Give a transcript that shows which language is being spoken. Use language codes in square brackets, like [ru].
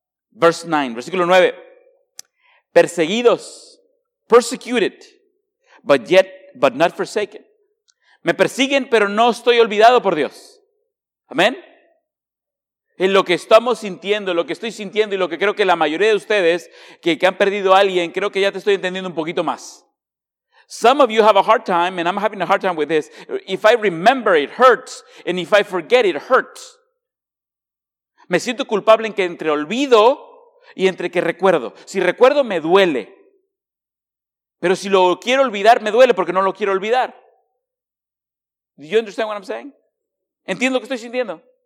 [en] Verse 9, [es] versículo 9. Perseguidos, [en] persecuted, but not forsaken. [es] Me persiguen, pero no estoy olvidado por Dios. ¿Amén? En lo que estamos sintiendo, lo que estoy sintiendo y lo que creo que la mayoría de ustedes que han perdido a alguien, creo que ya te estoy entendiendo un poquito más. [en] Some of you have a hard time, and I'm having a hard time with this. If I remember, it hurts. And if I forget, it hurts. [es] Me siento culpable en que entre olvido y entre que recuerdo. Si recuerdo, me duele. Pero si lo quiero olvidar, me duele porque no lo quiero olvidar. [en] Do you understand what I'm saying? [es] Entiendo lo que estoy sintiendo.